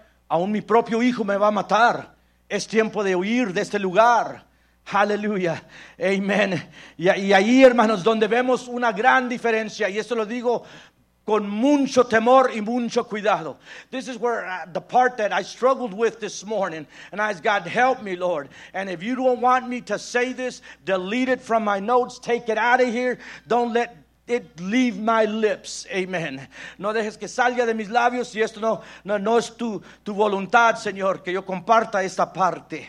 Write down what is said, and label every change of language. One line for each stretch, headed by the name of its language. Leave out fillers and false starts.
Spanish: Aún mi propio hijo me va a matar. Es tiempo de huir de este lugar. Hallelujah. Amen. Y ahí, hermanos, donde vemos una gran diferencia. Y eso lo digo con mucho temor y mucho cuidado.
English: This is where the part that I struggled with this morning. And I asked God, help me, Lord. And if you don't want me to say this, delete it from my notes. Take it out of here. Don't let it leave my lips. Amen.
Spanish: No dejes que salga de mis labios y esto no es tu voluntad, Señor, que yo comparta esta parte.